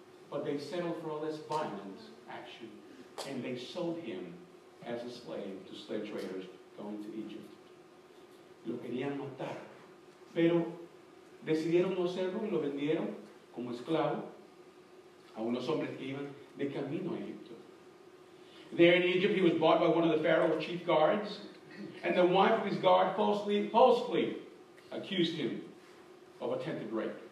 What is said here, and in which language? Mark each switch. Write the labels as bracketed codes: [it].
[en] But they settled for all this violent action. And they sold him as a slave to slave traders going to Egypt. [es] Lo querían matar. Pero decidieron no hacerlo y lo vendieron como esclavo a unos hombres que iban de camino a Egipto. [en] There in Egypt he was bought by one of the Pharaoh's chief guards. And the wife of his guard falsely accused him of attempted rape.